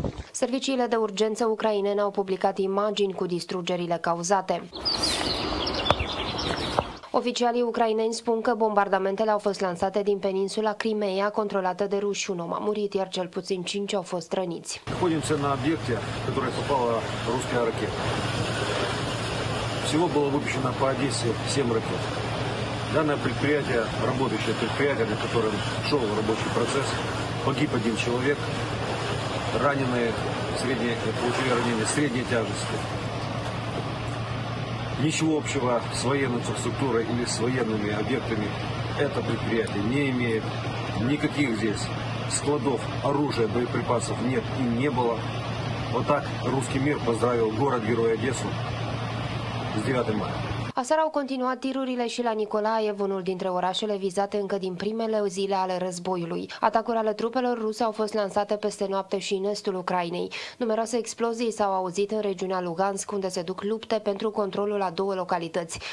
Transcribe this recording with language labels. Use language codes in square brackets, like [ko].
[ro] Serviciile de urgență ucrainene au publicat imagini cu distrugerile cauzate. Oficialii ucraineni spun că bombardamentele au fost lansate din peninsula Crimeea, controlată de ruși. Un om a murit, iar cel puțin 5 au fost răniți. [ru] Входим на объекте, который попала русская ракета. Всего было выпущено по Одессе 7 ракет. Данное предприятие, работающее предприятие, на котором шел рабочий процесс, погиб один человек. Раненые, средние, получили ранения средней тяжести. Ничего общего с военной инфраструктурой или с военными объектами это предприятие не имеет. Никаких здесь складов оружия, боеприпасов нет и не было. Вот так русский мир поздравил город-герой Одессу с 9 мая. [ro] Aseară au continuat tirurile și la Nicolaev, unul dintre orașele vizate încă din primele zile ale războiului. Atacuri ale trupelor ruse au fost lansate peste noapte și în estul Ucrainei. Numeroase explozii s-au auzit în regiunea Lugansk, unde se duc lupte pentru controlul a două localități.